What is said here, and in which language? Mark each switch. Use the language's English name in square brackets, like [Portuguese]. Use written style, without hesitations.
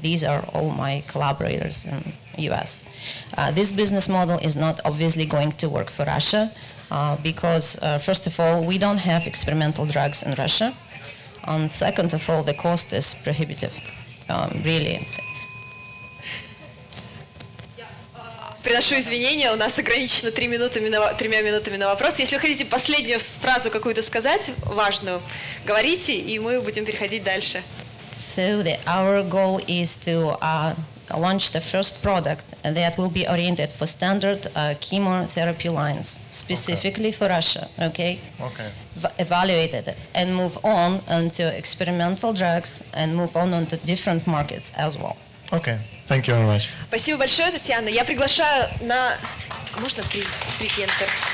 [English] These are all my collaborators in US. This business model is not obviously going to work for Russia because first of all, we don't have experimental drugs in Russia. And second of all, the cost is prohibitive, really. [Russian] Приношу извинения, у нас ограничено тремя минутами на вопрос. Если вы хотите последнюю фразу какую-то сказать, важную, говорите, и мы будем переходить дальше. [English] So our goal is to launch the first product that will be oriented for standard chemotherapy lines, specifically for Russia, okay? Okay. Evaluated and move on into experimental drugs and move on into different markets as well. Okay. Thank you very much. [Russian] Спасибо большое, Татьяна. Я приглашаю на... Можно презентер?